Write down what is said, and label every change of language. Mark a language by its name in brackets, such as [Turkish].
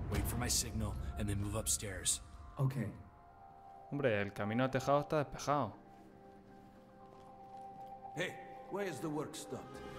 [English] Wait for my signal and then move upstairs. Okay. [Spanish] Hombre, el camino a tejado está despejado. [English] Hey, why is the work stopped?